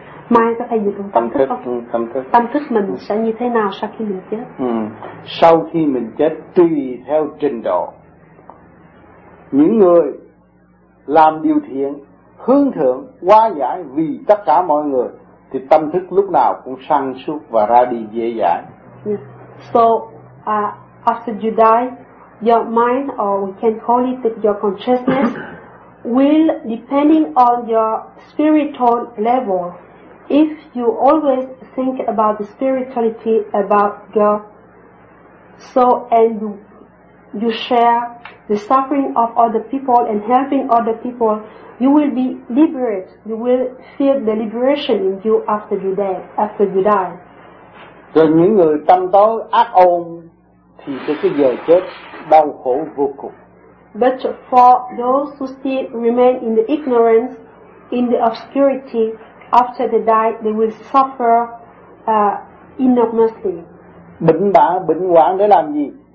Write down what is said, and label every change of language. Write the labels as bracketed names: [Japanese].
[Vietnamese] Mind có thể dùng tâm thức. Tâm thức mình sẽ như thế nào sau khi mình chết? Sau khi mình chết, tùy theo trình độ. Những người làm điều thiện, hướng thượng, hóa giải vì tất cả mọi người, thì tâm thức lúc nào cũng sanh suốt và ra đi dễ dàng. [English] So, after you die, your mind, or we can call it your consciousness, will, depending on your spiritual level, if you always think about the spirituality, about God, so, and you share the suffering of other people and helping other people, you will be liberated. You will feel the liberation in you after you die. [Vietnamese] Rồi những người tâm tối ác ôn thì tới cái giờ chết đau khổ vô cùng. [English] But for those who still remain in the ignorance, in the obscurity, after they die, they will suffer enormously. [Vietnamese] Bệnh bã, bệnh hoạn để làm gì?